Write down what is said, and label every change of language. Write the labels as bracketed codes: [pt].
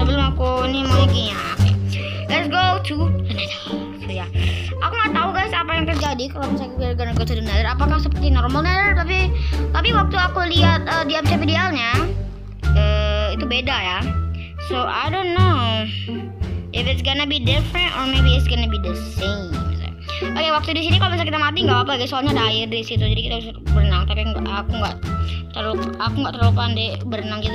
[id] Sebelum aku ini mau lagi ya. [en] Okay. Let's go to the Nether. So ya. Yeah. [id] Aku nggak tahu guys apa yang terjadi kalau misalnya kita [en] gonna go to the Nether. [id] Apakah seperti normal Nether? Tapi waktu aku lihat di MC videonya, itu beda ya. [en] So I don't know if it's gonna be different or maybe it's gonna be the same. [id] Oke, okay, waktu di sini kalau misalnya kita mati nggak apa-apa, guys. Soalnya ada air di situ, jadi kita bisa berenang. Tapi aku nggak terlalu pandai berenang gitu.